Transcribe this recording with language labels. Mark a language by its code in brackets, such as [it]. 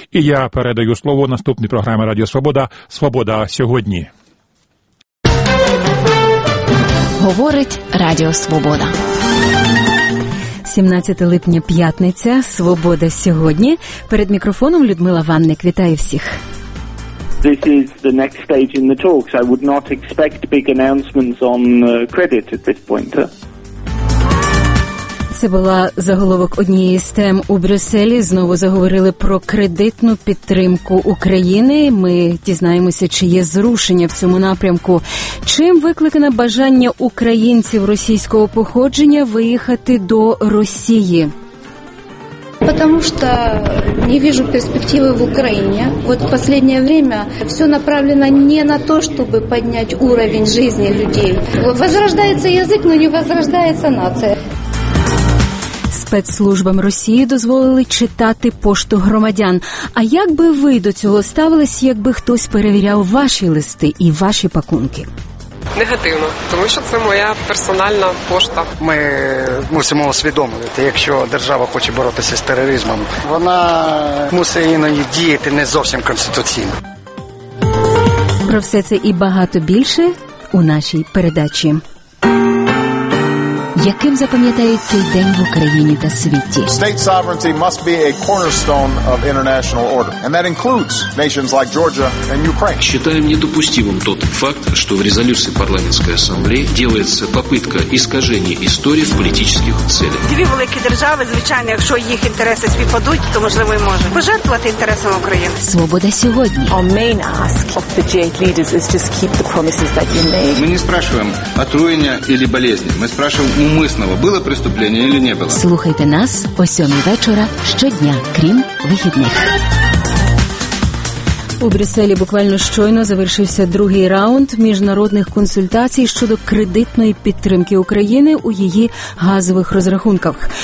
[uk] І я передаю слово наступній програмі Радіо Свобода «Свобода сьогодні». Говорить Радіо Свобода. 17 липня, п'ятниця, «Свобода сьогодні». Перед мікрофоном Людмила Ванник. Вітаю всіх. [en] This is the next stage in the talks. I would not expect big announcements on credit at this point. [uk] Це була заголовок однієї з тем у Брюсселі. Знову заговорили про кредитну підтримку України. Ми дізнаємося, чи є зрушення в цьому напрямку. Чим викликане бажання українців російського походження виїхати до Росії? [ru] Потому что не вижу перспективы в Украине. Вот в последнее время все направлено не на то, чтобы поднять уровень жизни людей. Возрождается язык, но не возрождается нация. [uk] Спецслужбам Росії дозволили читати пошту громадян. А як би ви до цього ставились, якби хтось перевіряв ваші листи і ваші пакунки? Негативно, тому що це моя персональна пошта. Ми мусимо усвідомити, якщо держава хоче боротися з тероризмом, вона мусить іноді діяти не зовсім конституційно. Про все це і багато більше у нашій передачі. Яким запам'ятають цей день в Україні та світі? [en] State sovereignty must be a cornerstone of international order, and that includes nations like Georgia and Ukraine. [ru] Считаем недопустимым тот факт, что в резолюции парламентской ассамблеи делается попытка искажения истории в политических целях. [uk] Дві великі держави, звичайно, якщо їх інтереси співпадуть, то можливо і може пожертвувати інтересам України. Свобода сьогодні. [en] Our main ask of the G8 leaders is just keep the promises that you made. [uk] Ми не спрашуємо отруєння или болезни. Ми спрашуємо умисного, було преступлення чи не було. Слухайте нас о 7 вечора щодня, крім вихідних. У Брюсселі буквально щойно завершився другий раунд міжнародних консультацій щодо кредитної підтримки України у її газових розрахунках.